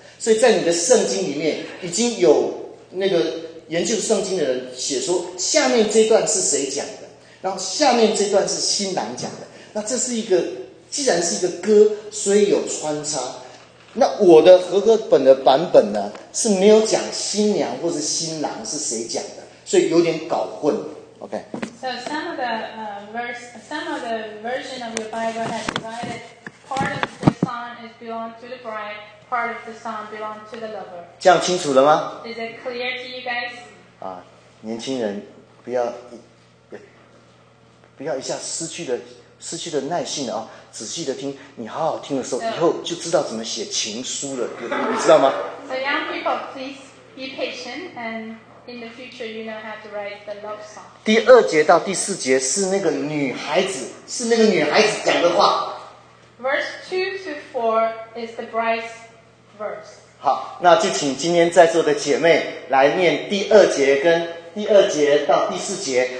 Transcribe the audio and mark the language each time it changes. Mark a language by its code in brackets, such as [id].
[zh] 所以在你的圣经里面，已经有那个研究圣经的人写说，下面这一段是谁讲的，然后下面这一段是新郎讲的。那这是一个，既然是一个歌，所以有穿插。那我的和合本的版本呢，是没有讲新娘或是新郎是谁讲的，所以有点搞混。 [en] OK. So some of the version of your Bible has divided part of the song is belong to the bride, part of the song belong to the lover. [zh] 这样清楚了吗 [en] ？Is it clear to you guys? [zh] 啊，年轻人，不要一下失去了耐性了啊！仔细的听，你好好听的时候， [en] so, [zh] 以后就知道怎么写情书了，你知道吗 [en] ？So young people, please be patient and. In the future, you know how to write the love song. [zh] 第二节到第四节是那个女孩子讲的话。 [en] Verse 2-4 is the bride's verse. [zh] 好，那就请今天在座的姐妹来念第二节跟第二节到第四节。